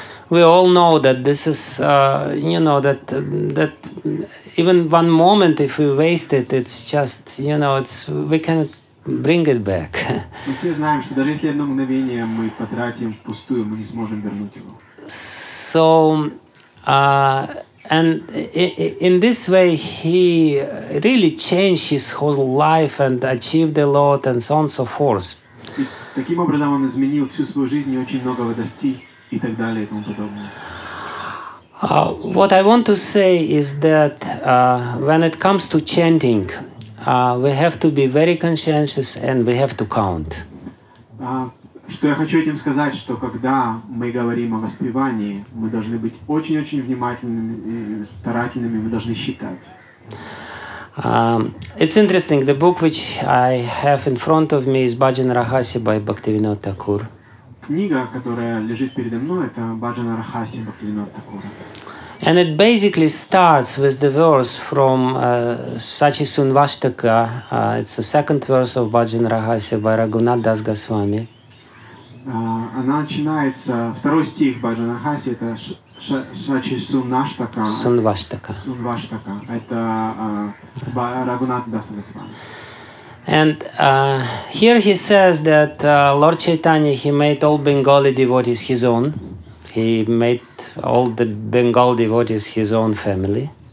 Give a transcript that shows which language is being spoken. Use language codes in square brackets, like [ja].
[en] We all know that this is, you know, that that even one moment, if we waste it, it's just, you know, it's we cannot bring it back. [ru] Мы все знаем, что даже если одно мгновение мы потратим впустую, мы не сможем вернуть его. [en] So, and in this way, he really changed his whole life and achieved a lot and so on and so forth. [ru] Таким образом, он изменил всю свою жизнь и очень многого достиг. [en] What I want to say is that when it comes to chanting, we have to be very conscientious and we have to count. [ru] Что я хочу этим сказать, что когда мы говорим о воспевании, мы должны быть очень-очень внимательными, старательными, мы должны считать. [en] It's interesting. The book which I have in front of me is Bhajan Rahasya by Bhaktivinoda Thakur. [ru] Книга, которая лежит передо мной, это Баджана Рахаси Бхактивинода Такура. [en] And it basically starts with the verse from Sachi Sunvashtaka. It's the second verse of Баджана Рахаси by Рагхунат Дас Госвами. [ru] Она начинается, второй стих Баджана Рахаси, это Сачи Сунаштака. Сунваштака. Сунваштака. Это Рагхунат Дас Госвами. [en] And here he says that Lord Chaitanya, he made all Bengali devotees his own. He made all the Bengal devotees his own family.